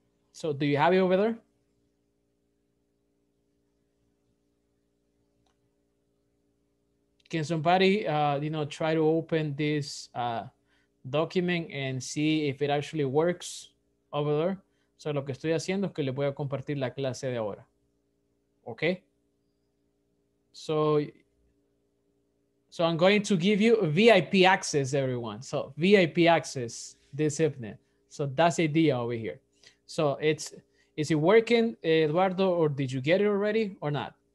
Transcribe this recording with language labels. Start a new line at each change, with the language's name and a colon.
English: So do you have it over there? Can somebody, you know, try to open this document and see if it actually works over there?
Spanish: So lo que estoy haciendo es que le voy a compartir la clase de ahora.
English: Okay? So I'm going to give you VIP access, everyone. So VIP access this evening. So that's the idea over here. So is it working, Eduardo, or did you get it already or not?